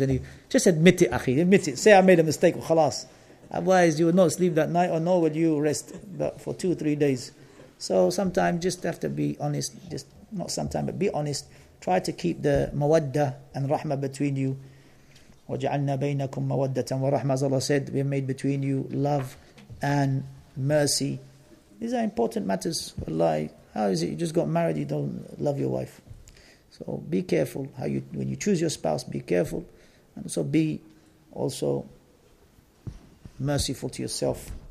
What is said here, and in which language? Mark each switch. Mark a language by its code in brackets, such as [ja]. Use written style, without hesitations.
[en] Any, just admit it, akhi. Admit it. Say I made a mistake. خلاص. Otherwise, you will not sleep that night, or nor will you rest for 2 or 3 days. So sometimes just have to be honest. Just not sometimes, but be honest. Try to keep the mawadda and rahma between you. [ar] وجعلنا بينكم مودة ورحمة. [en] As Allah said, we have made between you love and mercy. These are important matters. Wallahi, how is it you just got married, you don't love your wife? So be careful how you, when you choose your spouse, be careful. And so be also merciful to yourself.